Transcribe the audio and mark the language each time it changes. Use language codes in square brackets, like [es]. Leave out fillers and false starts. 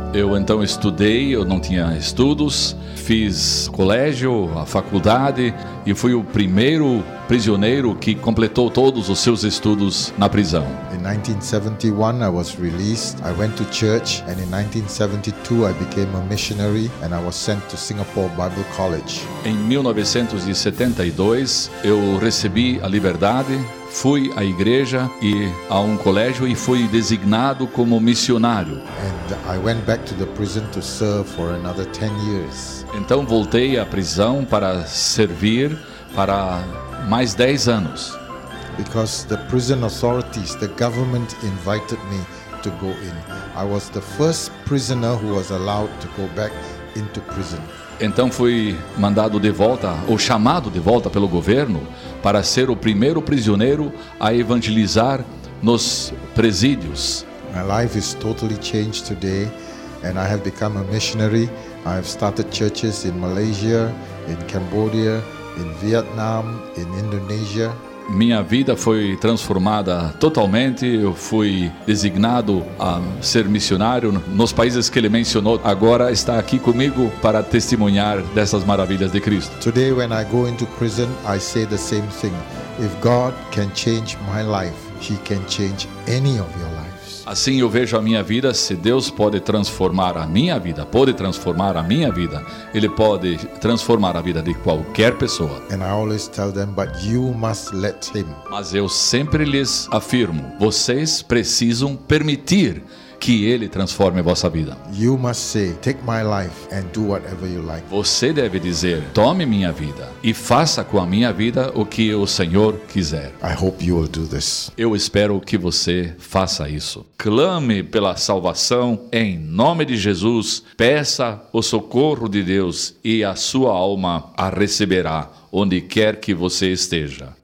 [pt] Eu então estudei, eu não tinha estudos, fiz colégio, a faculdade e fui o primeiro prisioneiro que completou todos os seus estudos na prisão. [en] In 1971 I was released. I went to church and in 1972 I became a missionary and I was sent to Singapore Bible College. [pt] Em 1972 eu recebi a liberdade, fui à igreja e a um colégio e fui designado como missionário. [en] And I went back to the prison to serve for another 10 years. [pt] Então voltei à prisão para servir para mais 10 anos. [en] Because the prison authorities, the government invited me to go in. I was the first prisoner who was allowed to go back into prison. [pt] Então fui mandado de volta, ou chamado de volta pelo governo, para ser o primeiro prisioneiro a evangelizar nos presídios. [en] My life is totally changed today, and I have become a missionary. I have started churches in Malaysia, in Cambodia, in Vietnam, in Indonesia. [pt] Minha vida foi transformada totalmente. Eu fui designado a ser missionário nos países que ele mencionou. Agora está aqui comigo para testemunhar dessas maravilhas de Cristo. [en] Today when I go into prison, I say the same thing. If God can change my life, he can change any of your lives. [pt] Assim eu vejo a minha vida. Se Deus pode transformar a minha vida, pode transformar a minha vida, Ele pode transformar a vida de qualquer pessoa. [en] And I always tell them, but you must let him. [pt] Mas eu sempre lhes afirmo, vocês precisam permitir que Ele transforme a vossa vida. [en] You must say, take my life and do whatever you like. [pt] Você deve dizer, tome minha vida e faça com a minha vida o que o Senhor quiser. [en] I hope you will do this. [pt] Eu espero que você faça isso. Clame pela salvação em nome de Jesus, peça o socorro de Deus e a sua alma a receberá onde quer que você esteja.